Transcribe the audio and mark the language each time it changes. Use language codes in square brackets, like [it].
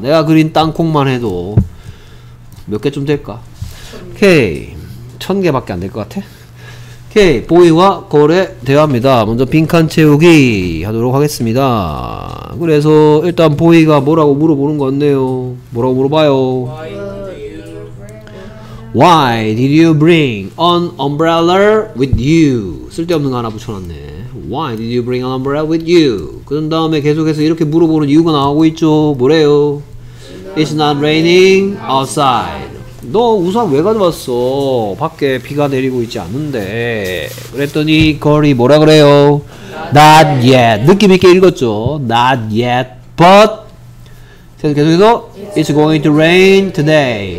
[ko] 내가 그린 땅콩만 해도 몇 개쯤 될까? 오케이. 천 개밖에 안 될 것 같아? 오케이. 보이와 걸의 대화입니다. 먼저 빈칸 채우기 하도록 하겠습니다. 그래서 일단 보이가 뭐라고 물어보는 것 같네요. 뭐라고 물어봐요? [en] Why did you bring an umbrella with you? [ko] 쓸데없는 거 하나 붙여놨네. [en] Why did you bring an umbrella with you? [ko] 그런 다음에 계속해서 이렇게 물어보는 이유가 나오고 있죠. 뭐래요? [en] It's not raining outside. [ko] 너 우산 왜 가져왔어? 밖에 비가 내리고 있지 않는데. 그랬더니 거리 뭐라 그래요? [en] Not yet. [ko] 느낌 있게 읽었죠. [en] Not yet, but [ko] 계속해서 [en] It's going to rain today.